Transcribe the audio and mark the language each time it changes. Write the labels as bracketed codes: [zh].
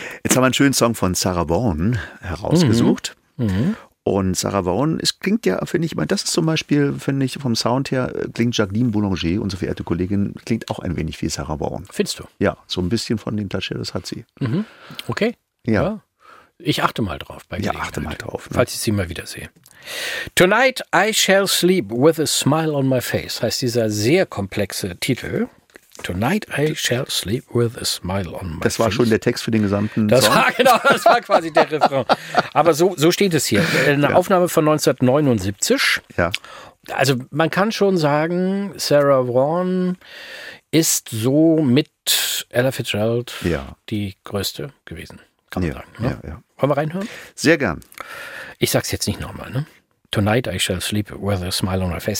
[de] Jetzt haben wir einen schönen Song von Sarah Vaughan herausgesucht. Und Sarah Vaughan, es klingt ja, finde ich, das ist zum Beispiel, finde ich, vom Sound her, klingt Jacqueline Boulanger, unsere verehrte Kollegin, klingt auch ein wenig wie Sarah Vaughan. Findest du? Ja, so ein bisschen von den Touchdowns hat sie. Okay. Ja. Ich achte mal drauf bei Gelegenheit. Ja, achte mal drauf. Ne? Falls ich sie mal wieder sehe. [en] Tonight I shall sleep with a smile on my face, [de] heißt dieser sehr komplexe Titel. [en] Tonight I shall sleep with a smile on my face. [de] Das war schon der Text für den gesamten Song. Das war genau, das war quasi der Refrain. Aber so steht es hier. Eine Aufnahme von 1979. Ja. Also man kann schon sagen, Sarah Vaughan ist so mit Ella Fitzgerald die größte gewesen, kann man sagen. Ne? Ja, ja. Wollen wir reinhören? Sehr gern. Ich sag's jetzt nicht nochmal, ne? [en] Tonight I shall sleep with a smile on my face.